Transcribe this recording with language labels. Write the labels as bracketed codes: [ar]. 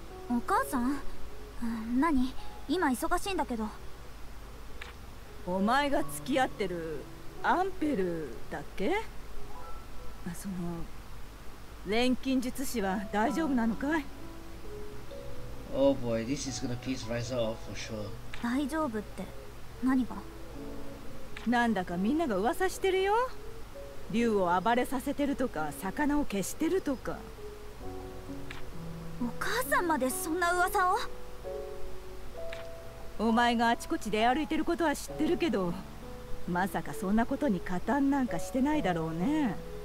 [ja] お母さん、何？今忙しいんだけど。お前が付き合ってるアンペルだっけ？その錬金術師は大丈夫なのかい？ [en] Oh boy, this is gonna piss Riser off for sure. [ja] 大丈夫って何が？なんだかみんなが噂してるよ。竜を暴れさせてるとか、魚を消してるとか。お母さんまでそんな噂を？お前があちこち出歩いてることは知ってるけど、まさかそんなことに加担なんかしてないだろうね。